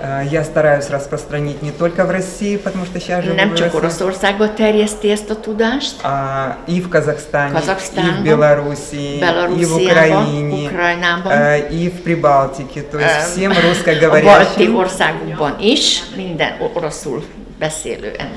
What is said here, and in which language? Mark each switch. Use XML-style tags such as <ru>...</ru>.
<ru>я стараюсь распространить не только в России, потому что сейчас живу</ru> <hu>Nem csak Oroszországba terjeszti ezt a tudást,</hu> <ru>и в Казахстане, Казахстан, и в Белоруссии, и в Украине, и в Прибалтике, то есть всем русскоговорящим. В Балтии</ru> <hu>országokban is, minden oroszul beszélő</hu>